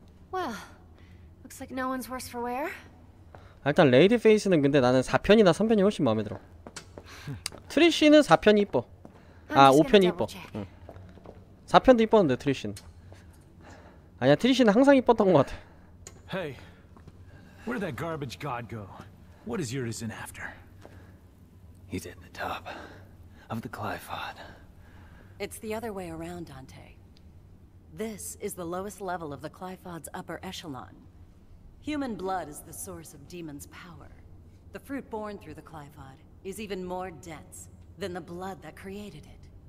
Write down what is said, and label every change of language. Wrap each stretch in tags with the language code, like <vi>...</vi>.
<en>Well, looks like no one's worse for wear.</en> <ko>일단 레이디 페이스는 근데 나는 4편이나 3편이 훨씬 마음에 들어. 트리쉬는 4편이 이뻐. 아, 5편이 이뻐. 응. 4편도 이뻤는데 트리쉬는. 아니야, 트리쉬는 항상 이뻤던 것 같아.</ko> <en>Hey. Where did that garbage god go? What is Yurizen after? He's at the top of the Clifod. It's the other way around, Dante. This is the lowest level of the Clifod's upper echelon. Human blood is the source of demons' power. The fruit born through the Clifod is even more dense than the blood that created it.</en>